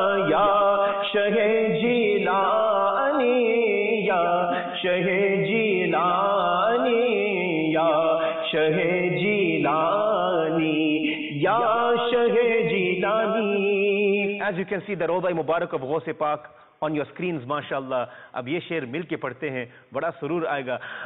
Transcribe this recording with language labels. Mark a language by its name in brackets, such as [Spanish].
[Urdu] یا شہ جیلانی یا شہ جیلانی یا شہ جیلانی یا شہ Jilani. [English] As you can see the روضہ مبارک of غوث پاک on your screens ماشاءاللہ. [Urdu] اب یہ شعر مل کے پڑھتے ہیں, بڑا سرور آئے گا.